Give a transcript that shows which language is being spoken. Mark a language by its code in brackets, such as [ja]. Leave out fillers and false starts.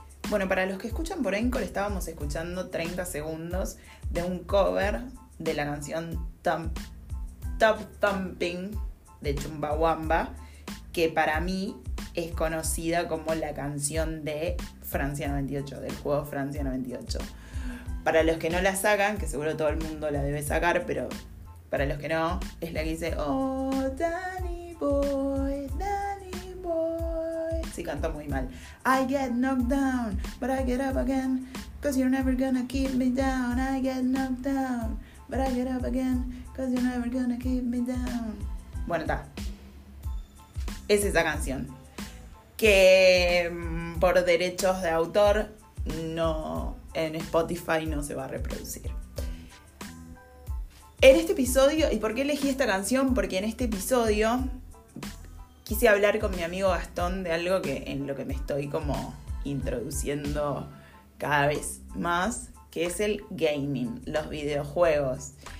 [es] Bueno, para los que escuchan por Anchor, estábamos escuchando 30 segundos de un cover de la canción Top Thumping de Chumbawamba, que para mí es conocida como la canción de Francia 98, del juego Francia 98. Para los que no la sacan, que seguro todo el mundo la debe sacar, pero para los que no, es la que dice [en] Oh, Danny Boy, Danny Boy. [es] Sí, canto muy mal. [en] I get knocked down, but I get up again, 'cause you're never gonna keep me down. I get knocked down, but I get up again, 'cause you're never gonna keep me down. [es] Bueno, está. Es esa canción. Que por derechos de autor, no, en Spotify no se va a reproducir. En este episodio, ¿y por qué elegí esta canción? Porque en este episodio quise hablar con mi amigo Gastón de algo que, en lo que me estoy como introduciendo cada vez más, que es el gaming, los videojuegos.